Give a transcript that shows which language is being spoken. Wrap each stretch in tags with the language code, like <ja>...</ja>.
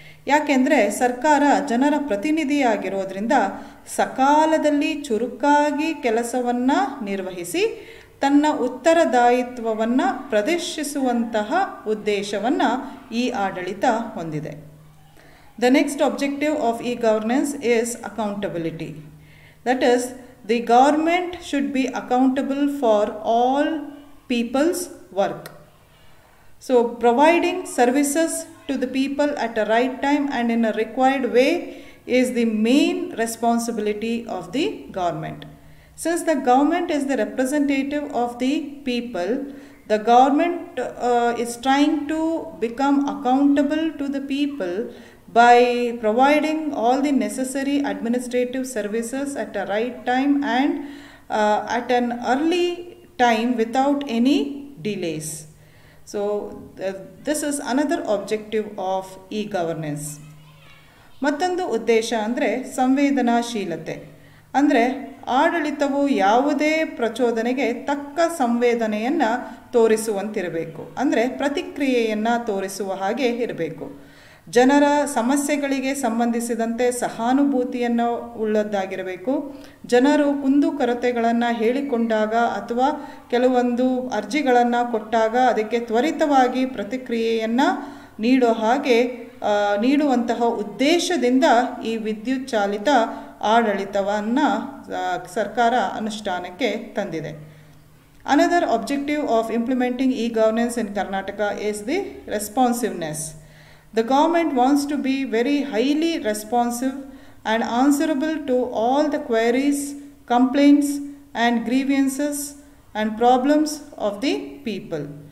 <kn>ಯಾಕೆಂದರೆ ಸರ್ಕಾರ ಜನರ ಪ್ರತಿನಿಧಿಯಾಗಿರೋದ್ರಿಂದ ಸಕಾಲದಲ್ಲಿ ಚುರುಕಾಗಿ ಕೆಲಸವನ್ನು ನಿರ್ವಹಿಸಿ ತನ್ನ ಉತ್ತರದಾಯಿತ್ವವನ್ನು ಪ್ರದರ್ಶಿಸುವಂತಹ ಉದ್ದೇಶವನ್ನು ಈ ಆಡಳಿತ ಹೊಂದಿದೆ.</kn> <en>The next objective of e governance is accountability, that is the government should be accountable for all peoples work. So providing services to the people at a right time and in a required way is the main responsibility of the government. Since the government is the representative of the people, the government is trying to become accountable to the people by providing all the necessary administrative services at a right time and at an early time without any delays. So this is another objective of e-governance.</en> <kn>ಮತ್ತೊಂದು ಉದ್ದೇಶ ಅಂದರೆ ಸಂವೇದನಾಶೀಲತೆ. ಅಂದರೆ ಆಡಳಿತವು ಯಾವುದೇ ಪ್ರಚೋದನೆಗೆ ತಕ್ಕ ಸಂವೇದನೆಯನ್ನು ತೋರಿಸುವಂತಿರಬೇಕು, ಅಂದರೆ ಪ್ರತಿಕ್ರಿಯೆಯನ್ನು ತೋರಿಸುವ ಹಾಗೆ ಇರಬೇಕು. ಜನರ ಸಮಸ್ಯೆಗಳಿಗೆ ಸಂಬಂಧಿಸಿದಂತೆ ಸಹಾನುಭೂತಿಯನ್ನು ಉಳ್ಳದ್ದಾಗಿರಬೇಕು. ಜನರು ಕುಂದುಕೊರತೆಗಳನ್ನು ಹೇಳಿಕೊಂಡಾಗ ಅಥವಾ ಕೆಲವೊಂದು ಅರ್ಜಿಗಳನ್ನು ಕೊಟ್ಟಾಗ ಅದಕ್ಕೆ ತ್ವರಿತವಾಗಿ ಪ್ರತಿಕ್ರಿಯೆಯನ್ನು ನೀಡುವಂತಹ ಉದ್ದೇಶದಿಂದ ಈ ವಿದ್ಯುತ್ ಚಾಲಿತ ಆಡಳಿತವನ್ನು ಸರ್ಕಾರ ಅನುಷ್ಠಾನಕ್ಕೆ ತಂದಿದೆ.</kn> <en>Another objective of implementing e governance in Karnataka is the responsiveness. The government wants to be very highly responsive and answerable to all the queries, complaints and grievances and problems of the people.</en>